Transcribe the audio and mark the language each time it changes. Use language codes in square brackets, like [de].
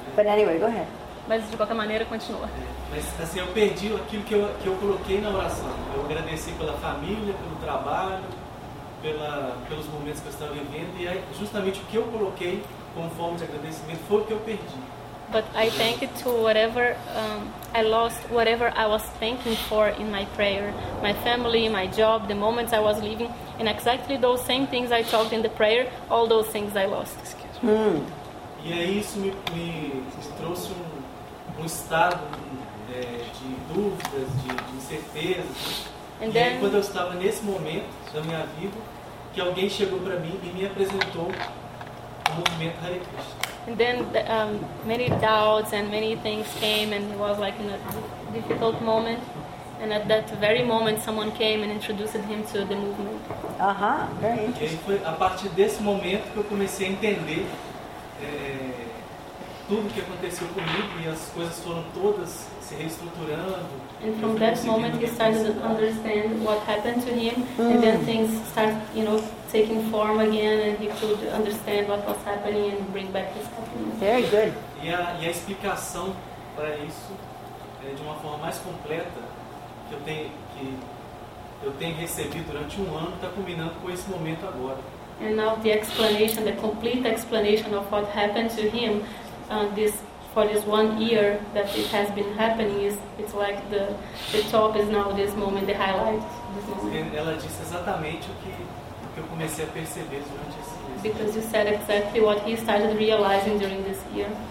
[en] But anyway, go ahead. [pt] Mas de qualquer maneira, continua. Mas assim, eu perdi aquilo que eu coloquei na oração. Eu agradeci pela família, pelo trabalho, pelos momentos que eu estava vivendo. E aí, justamente o que eu coloquei como forma de agradecimento foi o que eu perdi. [en] But I thank it to whatever I lost, whatever I was thanking for in my prayer, my family, my job, the moments I was living, and exactly those same things I talked in the prayer, all those things I lost. [pt] E aí isso me trouxe um estado de dúvidas, de incertezas. [en] And then, [pt] e aí, quando eu estava nesse momento da minha vida, que alguém chegou para mim e me apresentou o movimento Hare Krishna. [en] And then many doubts and many things came, and it was like in a difficult moment. And at that very moment, someone came and introduced him to the movement. Uh-huh, very interesting. [pt] E foi a partir desse momento que eu comecei a entender tudo o que aconteceu comigo, e as coisas foram todas se reestruturando. [en] And from that moment, he started to understand what happened to him, and then things started, you know, taking form again, and he could understand what was happening and bring back his happiness. Very good. [pt] E a explicação para isso é de uma forma mais completa que eu tenho recebido durante um ano, está combinando com esse momento agora. [en] And now the explanation, the complete explanation of what happened to him, for this 1 year that it has been happening, it's like the top is now this moment, the highlight. This moment. [pt] Ela disse exatamente o que eu comecei a perceber durante esse. [en] Because you said exactly what he started realizing during this year.